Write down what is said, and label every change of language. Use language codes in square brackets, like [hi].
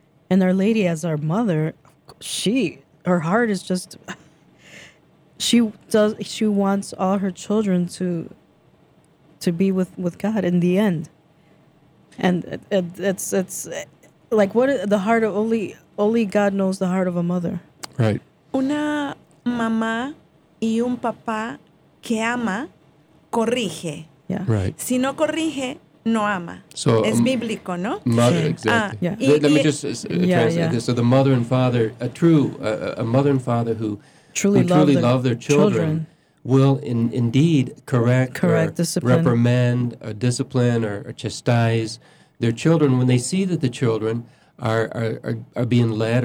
[en] And Our Lady, as our mother, her heart is just, she wants all her children to be with God in the end. And it's like, what the heart of only God knows the heart of a mother. Right. [es] Una mamá y un papá que ama corrige. [en] Yeah. Right. [es] Si no corrige, no ama. [en] So, [es] es bíblico, ¿no? [en] Mother, exactly. Let me just translate this. So the mother and father, a mother and father who truly love their children will indeed correct discipline, reprimand, or discipline, or chastise their children when they see that the children are being led.